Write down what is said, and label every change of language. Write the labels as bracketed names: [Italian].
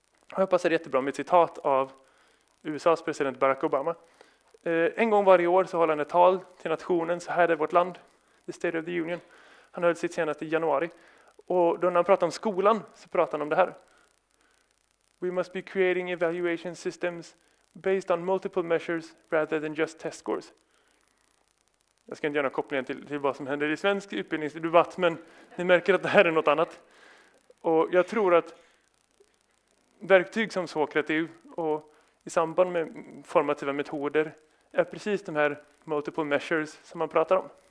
[Swedish] Jag hoppas det är jättebra med ett citat av USAs president Barack Obama. En gång varje år så håller han ett tal till nationen, så här är vårt land, the State of the Union. Han höll sitt senaste i januari. Och då när han pratade om skolan så pratade han om det här. [English] We must be creating evaluation systems based on multiple measures rather than just test scores. [Swedish] Jag ska inte göra kopplingen till vad som händer i svensk utbildningsdebatt, men ni märker att det här är något annat. Och jag tror att verktyg som Sokrativ och i samband med formativa metoder är precis de här multiple measures som man pratar om.